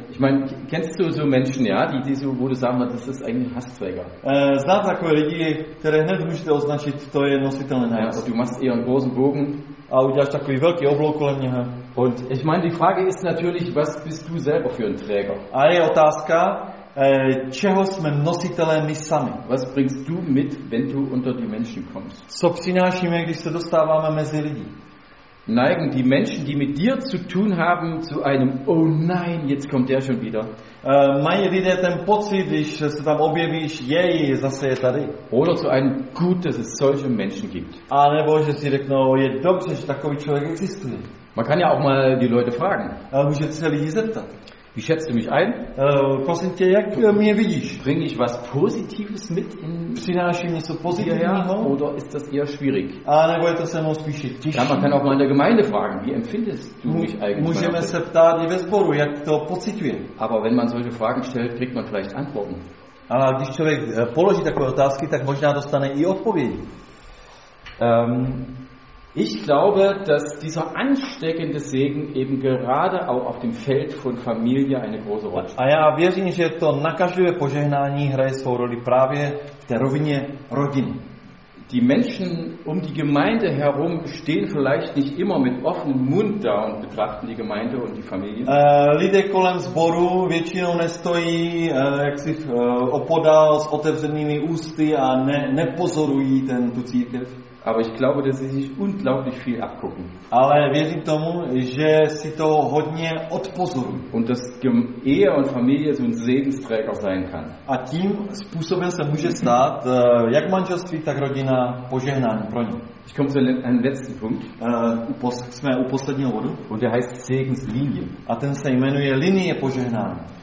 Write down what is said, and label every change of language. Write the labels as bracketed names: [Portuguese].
[German] Ich meine, kennst du so Menschen, ja, die so, wo du sagen würdest, das ist eigentlich ein Hassträger? [Czech] Znám takové lidi, které hned můžete označit, to je nositelný [German] hass. Ja, du machst eher einen großen Bogen. [Czech] A uděláš takový velký oblouk kolem něho. [German] Und ich meine, die Frage ist natürlich, was bist du selber für ein Träger? [Czech] A je otázka, čeho jsme nositelé my sami? [German] Was bringst du mit, wenn du unter die Menschen kommst? [Czech] Co přinášíme, když se dostáváme mezi lidi? [German] Neigen die Menschen, die mit dir zu tun haben, zu einem oh nein, jetzt kommt der schon wieder. [Czech] Mají lidé ten pocit, když se tam objevíš, jej, zase je tady. [German] Oder zu einem gut, dass es solche Menschen gibt. [Czech] A nebo že si řeknou, je dobře, že takový člověk existuje. [German] Man kann ja auch mal die Leute fragen. [Czech] Můžete se lidi zeptat. [German] Wie schätzt du mich ein? [Czech] Prosím tě, jak mě vidíš? [German] Bring ich was Positives mit in [Czech] přináším něco pozitivního? [German] Oder ist das eher schwierig? [Czech] A nebo je to se mnou spíše těžší? [German] Ja, man kann auch mal in der Gemeinde fragen, wie empfindest du mich eigentlich? [Czech] Můžeme se ptát i ve sboru, jak to pociťuje. [German] Aber wenn man solche Fragen stellt, kriegt man vielleicht Antworten. [Czech] A když člověk položí takové otázky, tak možná dostane i odpovědi. [German] Ich glaube, dass dieser ansteckende Segen eben gerade auch auf dem Feld von Familie eine große Rolle spielt. [Czech] A já věřím, že to nakažlivé požehnání hraje svou roli právě v té rovině rodiny. [German] Die Menschen um die Gemeinde herum stehen vielleicht nicht immer mit offenem Mund da und betrachten die Gemeinde und die Familie. [Czech] Lidé kolem sboru většinou nestojí opodál s otevřenými ústy a nepozorují tu církev. [German] Aber ich glaube, dass sie sich unglaublich viel abgucken. [Czech] Ale věřím tomu, že si to hodně odpozorují. [German] Und dass Ehe und Familie so ein Segensträger sein kann. [Czech] A tím způsobem se může stát, jak manželství, tak rodina požehnání pro ně. [German] Ich komme zu einem letzten Punkt. [Czech] Jsme u posledního bodu. [German] Und der heißt Segenslinie. [Czech] A ten se jmenuje linie požehnání.